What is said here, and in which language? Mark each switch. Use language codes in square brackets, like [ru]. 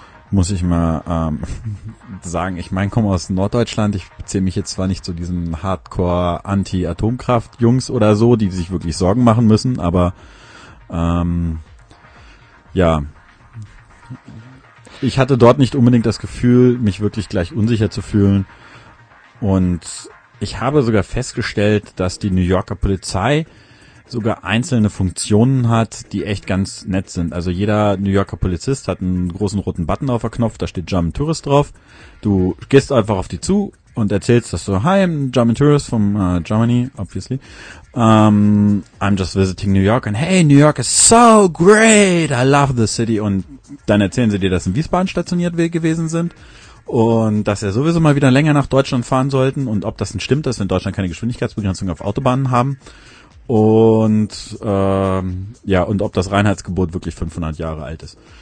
[de] muss ich mal sagen, ich meine, ich komme aus Norddeutschland, ich zähle mich jetzt zwar nicht zu diesen Hardcore-Anti-Atomkraft-Jungs oder so, die sich wirklich Sorgen machen müssen, aber ja, ich hatte dort nicht unbedingt das Gefühl, mich wirklich gleich unsicher zu fühlen, und ich habe sogar festgestellt, dass die New Yorker Polizei sogar einzelne Funktionen hat, die echt ganz nett sind. Also jeder New Yorker Polizist hat einen großen roten Button auf der Knopf, da steht German Tourist drauf. Du gehst einfach auf die zu und erzählst, dass du, [en] hi, I'm German Tourist from Germany, obviously. I'm just visiting New York and hey, New York is so great, I love the city. [de] Und dann erzählen sie dir, dass in Wiesbaden stationiert gewesen sind und dass sie sowieso mal wieder länger nach Deutschland fahren sollten und ob das denn stimmt, dass wir in Deutschland keine Geschwindigkeitsbegrenzung auf Autobahnen haben. Und ja, und ob das Reinheitsgebot wirklich 500 Jahre alt ist.